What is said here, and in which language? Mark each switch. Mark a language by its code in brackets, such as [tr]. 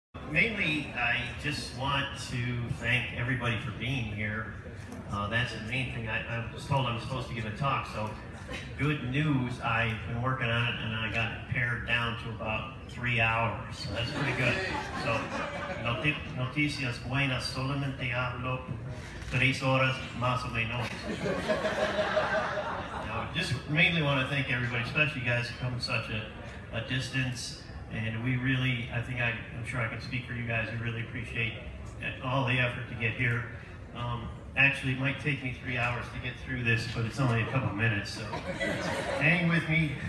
[en] Mainly, I just want to thank everybody for being here. That's the main thing. I was told I'm supposed to give a talk, so good news, I've been working on it and I got it pared down to about 3 hours. So that's pretty good. [es] So, noticias buenas, solamente hablo 3 horas más o menos. [en] Now, just mainly want to thank everybody, especially you guys who come such a distance. And we really, I'm sure I can speak for you guys, we really appreciate all the effort to get here. Actually, it might take me 3 hours to get through this, but it's only a couple minutes, so hang with me.